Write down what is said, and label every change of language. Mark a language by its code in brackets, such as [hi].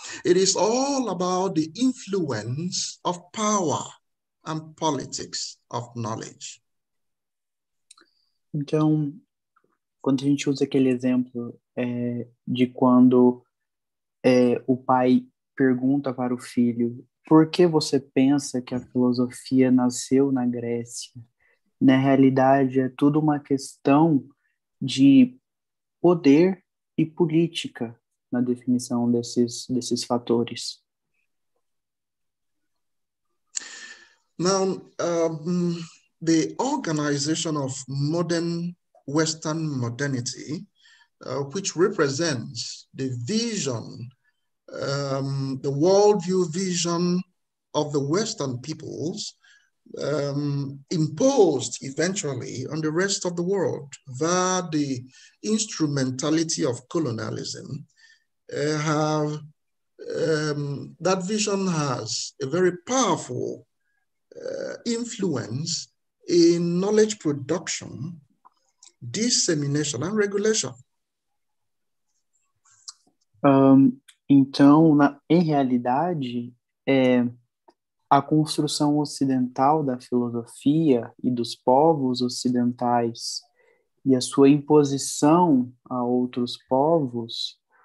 [en] It is all about the influence of power and politics of knowledge. [pt] Então, quando a gente usa aquele exemplo de quando o pai pergunta para o filho, por que você pensa que a filosofia nasceu na Grécia? Na realidade, é tudo uma questão de poder e política na definição desses fatores. [en] Now, the organization of modern Western modernity, which represents the vision, the worldview vision of the Western peoples, imposed eventually on the rest of the world via the instrumentality of colonialism, that vision has a very powerful influence in knowledge production, dissemination and regulation. [pt] Então, em realidade, a construção ocidental da filosofia e dos povos ocidentais e a sua imposição a outros povos